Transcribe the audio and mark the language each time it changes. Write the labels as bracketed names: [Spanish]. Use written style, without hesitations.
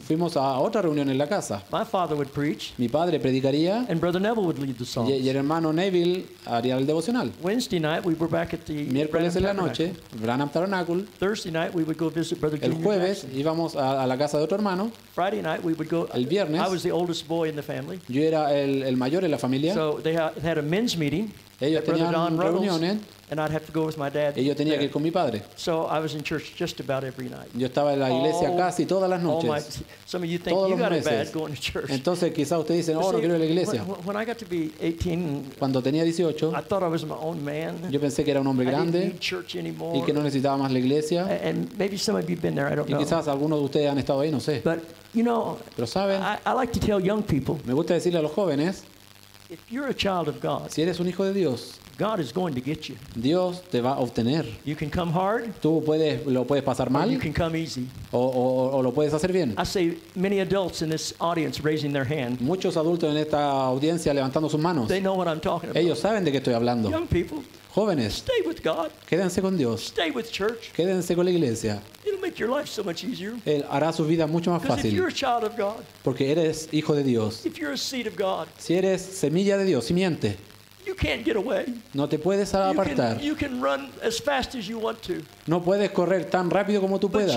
[Spanish] Fuimos a otra reunión en la casa. [English] My father would preach, [Spanish] mi padre predicaría, [English] and Brother Neville would lead the songs. [Spanish] Y el hermano Neville haría el devocional. [English] Wednesday night, we were back at the [Spanish] miércoles en la noche, Branham Tabernacle. [English] Thursday night, we would go visit Brother [Spanish] el jueves íbamos a la casa de otro hermano. [English] Friday night, we would go, [Spanish] el viernes, [English] I was the oldest boy in the family. [Spanish] Yo era el mayor en la familia. [English] So they had a men's meeting. [Spanish] Ellos tenían reuniones. [English] And I'd have to go with my dad. [Spanish] Y yo tenía que ir con mi padre. [English] So I was in church just about every night. [Spanish] Yo estaba en la iglesia casi todas las noches. [English] My, some of you think you got [Spanish] meses. [English] It bad going to church. [Spanish] Entonces quizás ustedes dicen, oh, no quiero ir a la iglesia. [English] When I got to be 18, [Spanish] cuando tenía 18, [English] I thought I was my own man. [Spanish] Yo pensé que era un hombre grande. [English] I didn't need church anymore. [Spanish] Y que no necesitaba más la iglesia. [English] And maybe some of you have been there, I don't know. [Spanish] Y quizás algunos de ustedes han estado ahí, no sé. [English] But you know, [Spanish] pero saben, [English] I like to tell young people, [Spanish] me gusta decirle a los jóvenes, [English] if you're a child of God, [Spanish] si eres un hijo de Dios, [English] God is going to get you. [Spanish] Dios te va a obtener. [English] You can come hard. [Spanish] Tú puedes, lo puedes pasar mal. [English] You can come easy. [Spanish] O lo puedes hacer bien. [English] I see many adults in this audience raising their hand. [Spanish] Muchos adultos en esta audiencia levantando sus manos. [English] They know what I'm talking about. [Spanish] Ellos saben de qué estoy hablando. [English] Young people, [Spanish] jóvenes, [English] stay with God. [Spanish] Quédense con Dios. [English] Stay with church. [Spanish] Quédense con la iglesia. [English] It'll make your life so much easier. [Spanish] Él hará su vida mucho más fácil. [English] If you're a child of God, [Spanish] porque eres hijo de Dios. [English] If you're a seed of God, [Spanish] si eres semilla de Dios, simiente. [English] You can't get away. [Spanish] No te puedes apartar. [English] You can run as fast as you want to. [Spanish] No puedes correr tan rápido como tú puedas.